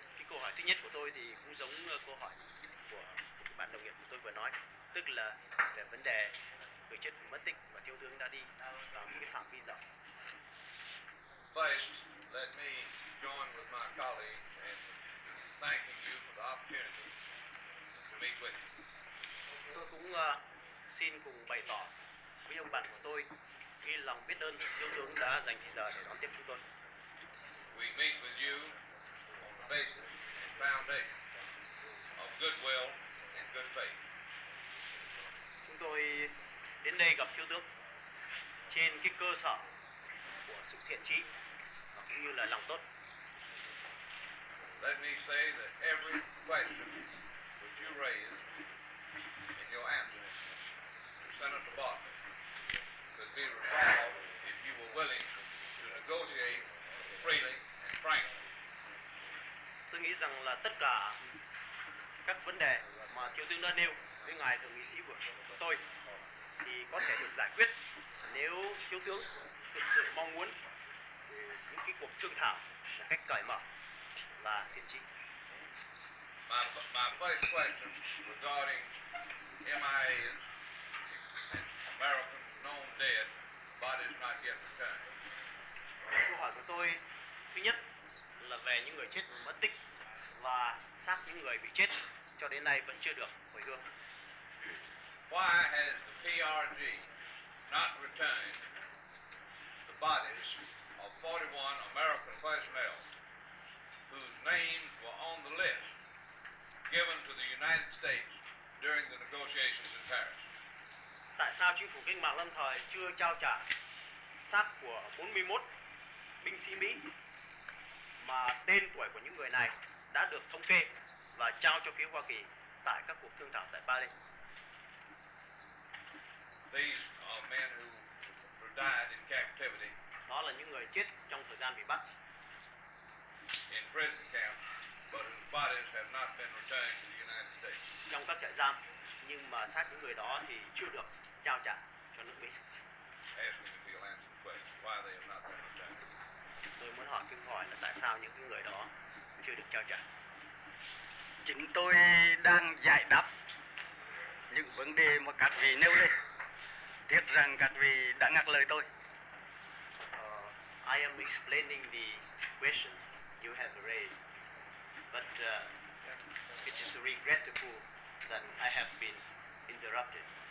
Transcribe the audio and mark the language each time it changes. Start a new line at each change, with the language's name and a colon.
Vietnamese: Câu hỏi thứ nhất của tôi thì cũng giống câu hỏi của bạn đồng nghiệp của tôi vừa nói, tức là về vấn đề người chết mất tích và thiếu tướng đã đi vào cái phạm vi rộng.
English: First, let me join with my colleagues in thanking you for the opportunity to meet with you.
Vietnamese: Tôi cũng xin cùng bày tỏ với ông bạn của tôi cái lòng biết ơn thiếu tướng đã dành thời giờ để đón tiếp chúng tôi.
English: We meet with you basis and foundation of goodwill and good faith.
Vietnamese: Chúng tôi đến đây gặp thiếu tướng trên cái cơ sở của sự thiện chí cũng như là lòng tốt.
English: Let me say that every question that you raised in your answer to Senator Barker could be resolved if you were willing to negotiate freely and frankly.
Vietnamese: Tôi nghĩ rằng là tất cả các vấn đề mà thiếu tướng đã nêu với ngài thượng nghị sĩ của tôi thì có thể được giải quyết nếu thiếu tướng thực sự mong muốn những cái cuộc thương thảo là cách cởi mở và thiện chí.
English: My first question regarding MIA's American known dead bodies not yet returned.
Vietnamese: Câu hỏi của tôi thứ nhất là về những người chết mất tích và xác những người bị chết cho đến nay vẫn chưa được hồi hương.
English: Why has the PRG not returned the bodies of 41 American personnel whose names were on the list given to the United States during the negotiations in Paris?
Vietnamese: Tại sao chính phủ Cách mạng lâm thời chưa trao trả xác của 41 binh sĩ Mỹ mà tên tuổi của những người này đã được thống kê và trao cho phía Hoa Kỳ tại các cuộc thương thảo tại Paris?
English: These are men who died in captivity.
Vietnamese: Đó là những người chết trong thời gian bị bắt.
English: In prison camps, but whose bodies have not been returned to the United States.
Vietnamese: Trong các trại giam, nhưng mà xác những người đó thì chưa được trao trả cho nước Mỹ.
English: Asking if you'll answer the question why they have not been returned.
Vietnamese: Tôi muốn hỏi câu hỏi là tại sao những người đó chưa được trao trả. Chính tôi đang giải đáp những vấn đề mà các vị nêu lên. Tiếc rằng các vị đã ngắt lời tôi.
English: I am explaining the question you have raised, but it is regrettable that I have been interrupted.